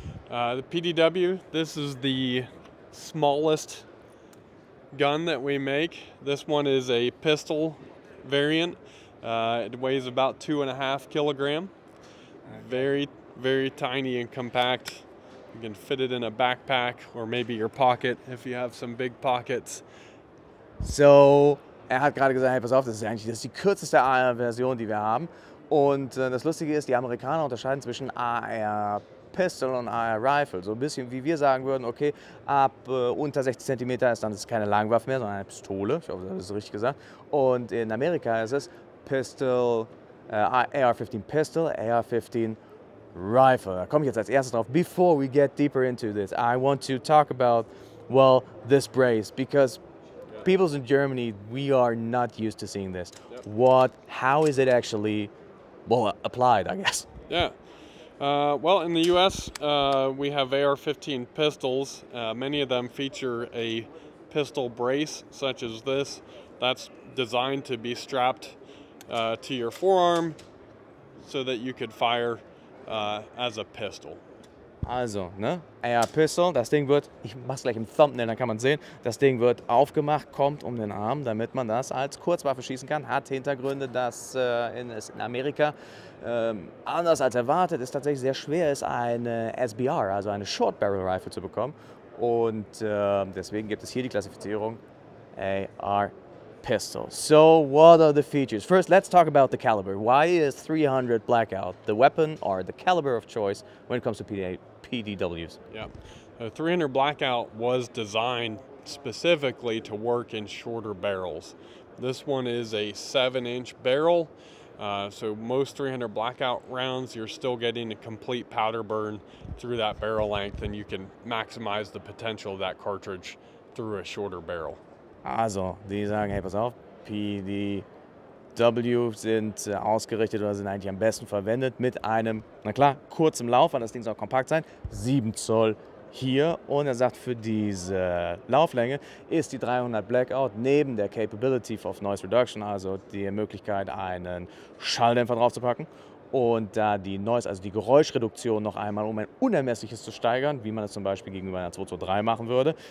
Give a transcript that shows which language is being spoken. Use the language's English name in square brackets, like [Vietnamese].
[English] The PDW, this is the smallest gun that we make. This one is a pistol variant. It weighs about 2.5 kilograms. Very, very tiny and compact. You can fit it in a backpack or maybe your pocket if you have some big pockets. [German] So, hat gerade gesagt, hey, pass auf, das ist die kürzeste AR-Version, die wir haben. Und das Lustige ist, die Amerikaner unterscheiden zwischen AR-Pistol und AR-Rifle. So ein bisschen, wie wir sagen würden, okay, ab unter 60 cm ist dann ist keine Langwaffe mehr, sondern eine Pistole. Ich hoffe, das ist richtig gesagt. Und in Amerika ist es Pistol, AR-15 Pistol, AR-15 Rifle. Da komme ich jetzt als erstes drauf. [English] Before we get deeper into this, I want to talk about, well, this brace, because peoples in Germany, we are not used to seeing this. Yep. What, how is it actually, well, applied, I guess? Yeah. Well, in the US, we have AR-15 pistols. Many of them feature a pistol brace, such as this. That's designed to be strapped to your forearm so that you could fire as a pistol. [German] Also, ne, AR-Pistol, das Ding wird, ich mach's gleich im Thumbnail, dann kann man sehen, das Ding wird aufgemacht, kommt um den Arm, damit man das als Kurzwaffe schießen kann. Hat Hintergründe, dass es in Amerika, anders als erwartet, es tatsächlich sehr schwer ist, eine SBR, also eine Short-Barrel-Rifle zu bekommen. Und deswegen gibt es hier die Klassifizierung AR-Pistol. [English] So, what are the features? First, let's talk about the caliber. Why is 300 Blackout the weapon or the caliber of choice when it comes to PDWs? Yeah, the 300 Blackout was designed specifically to work in shorter barrels. This one is a 7-inch barrel, so most 300 Blackout rounds, you're still getting a complete powder burn through that barrel length, and you can maximize the potential of that cartridge through a shorter barrel. [German] Also, die sagen, hey, pass auf, PDW sind ausgerichtet oder sind eigentlich am besten verwendet mit einem, na klar, kurzem Lauf, weil das Ding soll kompakt sein, 7 Zoll hier. Und er sagt, für diese Lauflänge ist die 300 Blackout neben der [English] Capability of Noise Reduction, [German] also die Möglichkeit, einen Schalldämpfer draufzupacken, und da die Noise, also die Geräuschreduktion noch einmal, um ein unermessliches zu steigern, wie man das zum Beispiel gegenüber einer 223 machen würde.